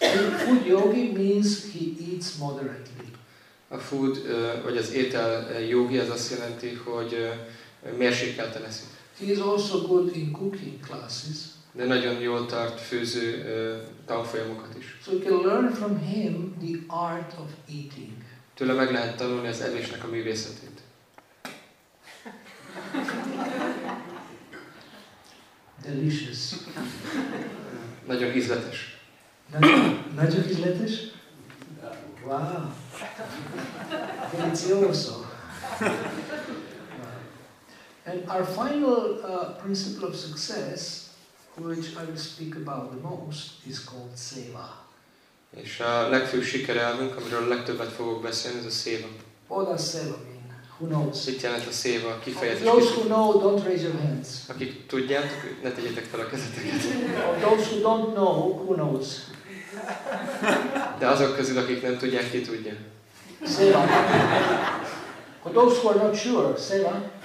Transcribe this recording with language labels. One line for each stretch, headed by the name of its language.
English: Food yogi means he eats moderately.
Hungarian: A food, vagy az étel yogi, az azt jelenti, hogy mérsékelten eszik.
English: He is also good in cooking classes.
Hungarian: De nagyon jól tart főző tanfolyamokat is.
English: So you can learn from him the art of eating.
Hungarian: Tőle meg lehet tanulni az evésnek a művészetét.
English: Delicious.
Hungarian: Nagyon ízletes. Nagyon ízletes?
English: Wow.
Hungarian: Delicioso.
English: And our final principle of success, which I will speak about the most, is called seva.
Hungarian: És a legfőbb sikerelvünk, amiről a legtöbbet fogok beszélni, ez a seva.
English: What does seva mean? Who knows?
Hungarian: Mit jelent a seva? Kifejezés.
English: Those who know, don't raise your hands.
Hungarian: Akik tudjátok, ne tegyétek fel a kezeteket.
English: Those who don't know, who knows?
Hungarian: De azok közül, akik nem tudják, ki tudja.
English: Seva. For those who are not sure, seva.